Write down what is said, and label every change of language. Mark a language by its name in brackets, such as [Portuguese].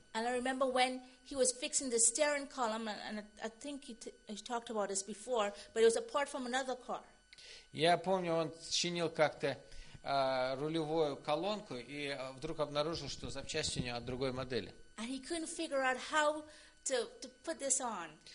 [English] And I remember when he was fixing the steering column, and I think he talked about this before, but it was a part from another car. [Russian] Я помню, он чинил как-то рулевую колонку и вдруг обнаружил, что запчасти у него от другой модели. [English] And he couldn't figure out how to put this on.